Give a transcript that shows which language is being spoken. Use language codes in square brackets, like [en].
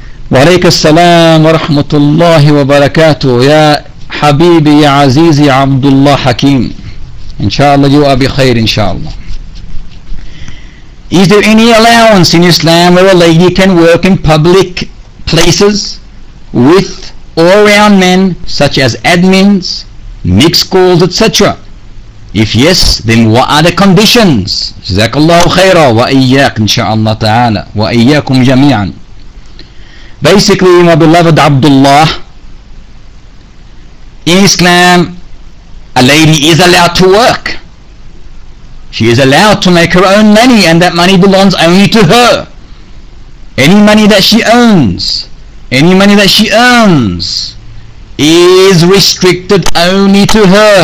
[ar] وعليك السلام ورحمة الله وبركاته يا حبيبي يا عزيزي عبد الله حكيم. إن شاء الله جوا بخير إن شاء الله. [en] Is there any allowance in Islam where a lady can work in public places with or around men such as admins, mixed schools, etc.? If yes, then what are the conditions? [ar] جزاك الله خيرا وإياك إن شاء الله تعالى وإياكم جميعا. [en] Basically, my beloved Abdullah, in Islam, a lady is allowed to work. She is allowed to make her own money, and that money belongs only to her. Any money that she owns, any money that she earns, is restricted only to her.